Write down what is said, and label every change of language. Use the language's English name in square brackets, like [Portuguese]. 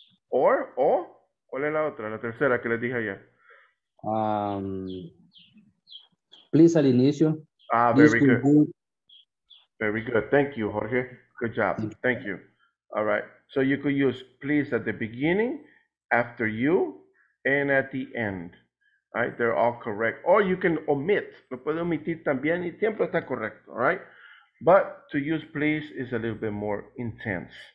[Spanish] Or, o, ¿cuál es la otra? La tercera que les dije ayer. Please al inicio. [English] Ah, very good. Very good. Thank you, Jorge. Good job. Thank you. All right. So you could use please at the beginning, after you, and at the end. All right. They're all correct. Or you can omit. [Spanish] Lo puede omitir también y siempre está correcto. [English] All right. But to use please is a little bit more intense.